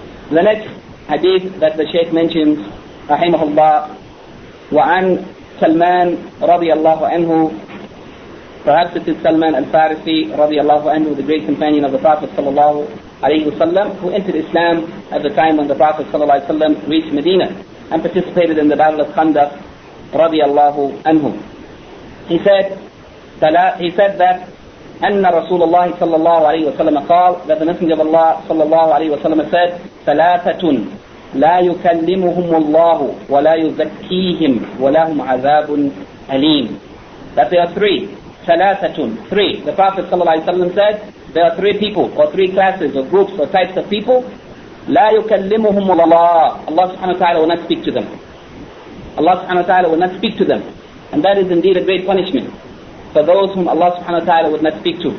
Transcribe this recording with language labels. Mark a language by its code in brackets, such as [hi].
[en] The next hadith that the Shaykh mentions, rahimahullah, [ar] وعن سلمان رضي الله عنه, [en] perhaps it is Salman al-Farisi رضي الله عنه, the great companion of the Prophet صلى الله عليه وسلم, who entered Islam at the time when the Prophet صلى الله عليه وسلم reached Medina and participated in the Battle of Khandaq رضي الله عنه. He said that [ar] أن رسول الله صلى الله عليه وسلم قال, [en] that the Messenger of Allah [ar] صلى الله عليه وسلم said, ثلاثة لا يكلمهم الله ولا يزكيهم ولهم عذاب أليم. [en] That there are three, ثلاثةٌ, three. The Prophet صلى الله عليه وسلم said, there are three people or three classes or groups or types of people. [ar] لا يكلمهم الله, [en] Allah subhanahu wa ta'ala will not speak to them. Allah subhanahu wa ta'ala will not speak to them. And that is indeed a great punishment for those whom Allah subhanahu wa ta'ala would not speak to.